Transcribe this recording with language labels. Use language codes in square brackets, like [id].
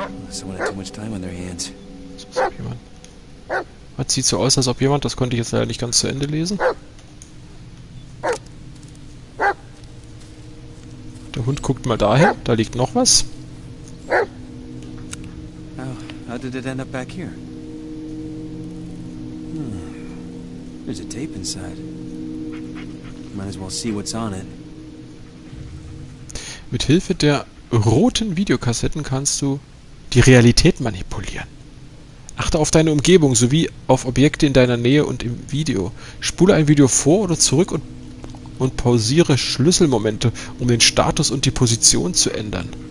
[en] Someone had too much time on their hands. [de] Was sieht so aus, als ob jemand, das konnte ich jetzt leider nicht ganz zu Ende lesen. Der Hund guckt mal dahin, da liegt noch was. [en] How did it end up back here? There's a tape inside. Might as well see what's on it. [de] Mit Hilfe der roten Videokassetten kannst du die Realität manipulieren. Achte auf deine Umgebung sowie auf Objekte in deiner Nähe und im Video. Spule ein Video vor oder zurück und pausiere Schlüsselmomente, um den Status und die Position zu ändern.